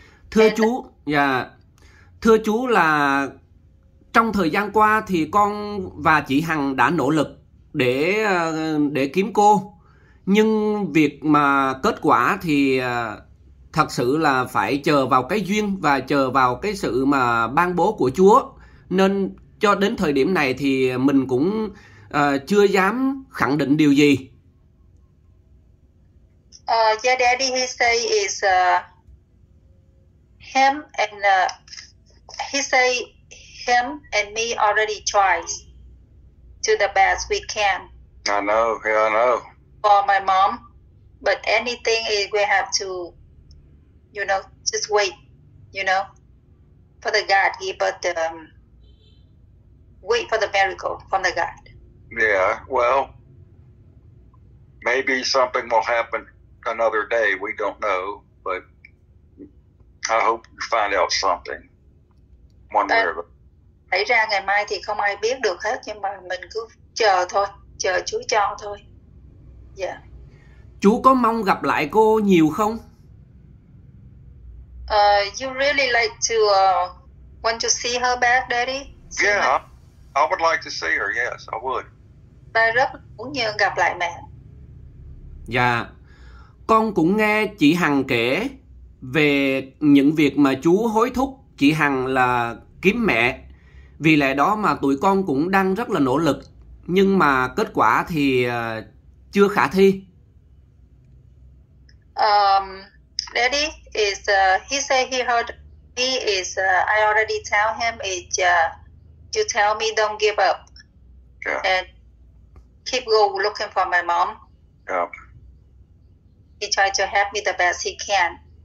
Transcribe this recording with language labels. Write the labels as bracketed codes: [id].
[vi] Thưa chú, thưa chú là trong thời gian qua thì con và chị Hằng đã nỗ lực để kiếm cô, nhưng việc mà kết quả thì thật sự là phải chờ vào cái duyên và chờ vào cái sự mà ban bố của Chúa, nên cho đến thời điểm này thì mình cũng chưa dám khẳng định điều gì. [en] Yeah, daddy, he say is him and he say him and me already tried to the best we can I know, for my mom, but anything is we have to you know, just wait, you know, for the God, give us the, wait for the miracle from the God. Yeah, well, maybe something will happen another day. We don't know, but I hope you find out something one way or the other. [vi] Thấy ra ngày mai thì không ai biết được hết, nhưng mà mình cứ chờ thôi, chờ Chúa cho thôi. Dạ. Yeah. Chú có mong gặp lại cô nhiều không? [en] You really like to want to see her back, Daddy? See yeah, her? I would like to see her. Yes, I would. [vi] Ta rất muốn nhờ gặp lại mẹ. Dạ. Con cũng nghe chị Hằng kể về những việc mà chú hối thúc chị Hằng là kiếm mẹ. Vì lẽ đó mà tụi con cũng đang rất là nỗ lực, nhưng mà kết quả thì chưa khả thi. [en] Daddy is he said he heard me is I already tell him it you tell me don't give up. Yeah. And keep go looking for my mom. Yeah. He tried to help me the best he can.